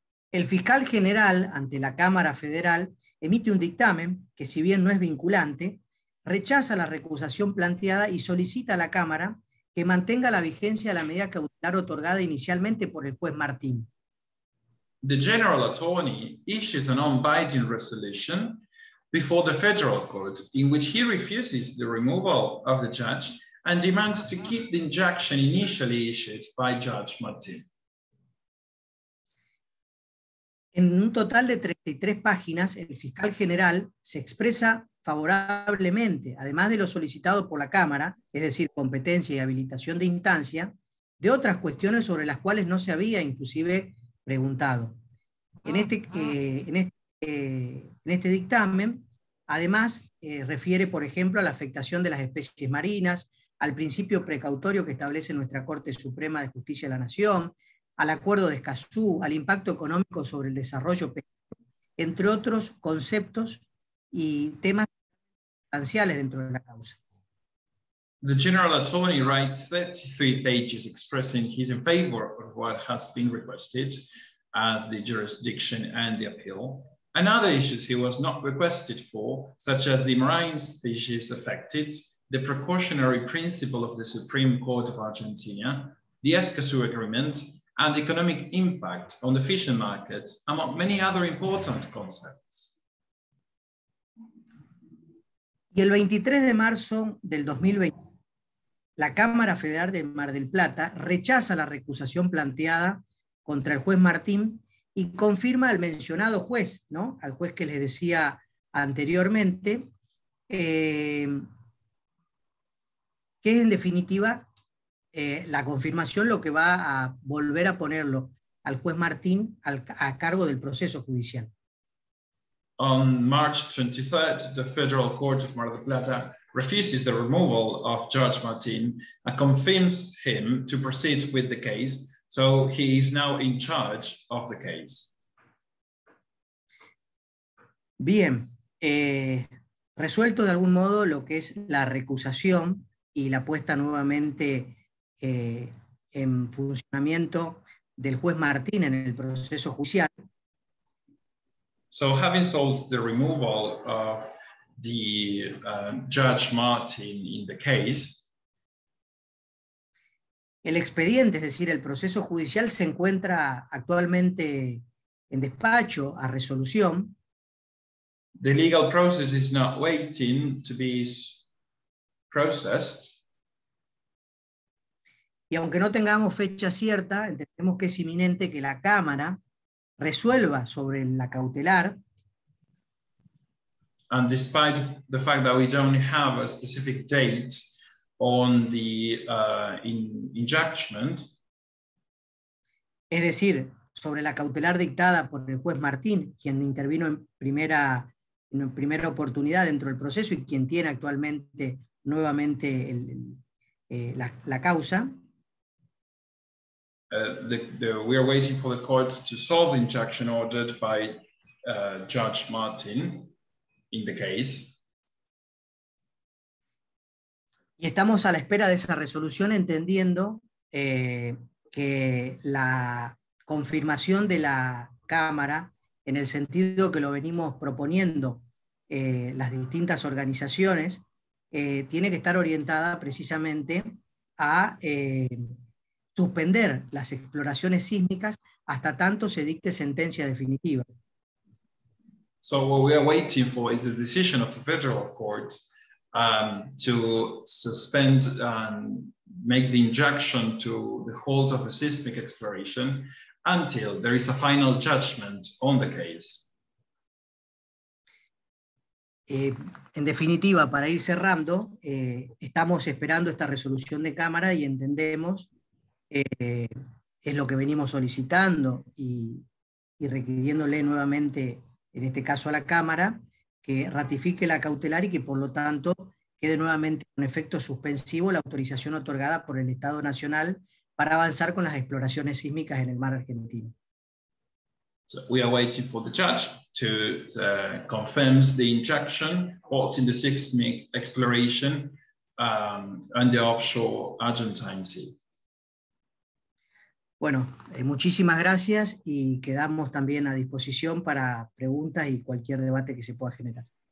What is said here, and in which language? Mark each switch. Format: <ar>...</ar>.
<es>El fiscal general ante la Cámara Federal emite un dictamen que, si bien no es vinculante, rechaza la recusación planteada y solicita a la Cámara que mantenga la vigencia de la medida cautelar otorgada inicialmente por el juez Martín.</es> <en>The general attorney issues a non-binding resolution before the federal court in which he refuses the removal of the judge and demands to keep the injunction initially issued by Judge Martin.</en> <es>En un total de 33 páginas, el fiscal general se expresa favorablemente, además de lo solicitado por la Cámara, es decir, competencia y habilitación de instancia, de otras cuestiones sobre las cuales no se había inclusive preguntado. En este dictamen, además, refiere, por ejemplo, a la afectación de las especies marinas, al principio precautorio que establece nuestra Corte Suprema de Justicia de la Nación, al acuerdo de Escazú, al impacto económico sobre el desarrollo, entre otros conceptos y temas sustanciales dentro de la causa.</es> <en>The general attorney writes 33 pages expressing he's in favor of what has been requested as the jurisdiction and the appeal, and other issues he was not requested for, such as the marine species affected, the precautionary principle of the Supreme Court of Argentina, the Escazú Agreement, and economic impact on the fishing market, among many other important concepts.</en> <es>Y el 23 de marzo del 2020, la Cámara Federal de Mar del Plata rechaza la recusación planteada contra el juez Martín y confirma al mencionado juez, ¿no? Al juez que les decía anteriormente, que es en definitiva la confirmación lo que va a volver a ponerlo al juez Martín a cargo del proceso judicial.</es> <en>On March 23rd, the Federal Court of Mar del Plata refuses the removal of Judge Martín and confirms him to proceed with the case, so he is now in charge of the case.</en> <es>Bien, resuelto de algún modo lo que es la recusación y la puesta nuevamente en funcionamiento del juez Martín en el proceso judicial.</es> <en>So having solved the removal of the Judge Martín in the case,</en> <es>el expediente, es decir, el proceso judicial, se encuentra actualmente en despacho a resolución.</es> <en>The legal process is not waiting to be processed.</en> <es>Y aunque no tengamos fecha cierta, entendemos que es inminente que la Cámara resuelva sobre la cautelar.</es> <en>And despite the fact that we don't have a specific date on the injunction,</en> <es>es decir, sobre la cautelar dictada por el juez Martín, quien intervino en primera oportunidad dentro del proceso y quien tiene actualmente nuevamente la causa.</es> <en>We are waiting for the courts to solve the injunction ordered by Judge Martín in the case.</en> <es>Y estamos a la espera de esa resolución, entendiendo que la confirmación de la Cámara, en el sentido que lo venimos proponiendo las distintas organizaciones, tiene que estar orientada precisamente a suspender las exploraciones sísmicas hasta tanto se dicte sentencia definitiva.</es> <en>So what we are waiting for is the decision of the federal court to suspend and make the injunction to the halt of the seismic exploration until there is a final judgment on the case.</en> <es>En definitiva, para ir cerrando, estamos esperando esta resolución de Cámara y entendemos es lo que venimos solicitando y requiriéndole nuevamente, en este caso a la Cámara, que ratifique la cautelar y que por lo tanto quede nuevamente con efecto suspensivo la autorización otorgada por el Estado Nacional para avanzar con las exploraciones sísmicas en el mar argentino.</es> <en>So we are waiting for the judge to confirm the injunction halting the seismic exploration on the offshore Argentine Sea.</en> <es>Bueno, muchísimas gracias y quedamos también a disposición para preguntas y cualquier debate que se pueda generar.</es>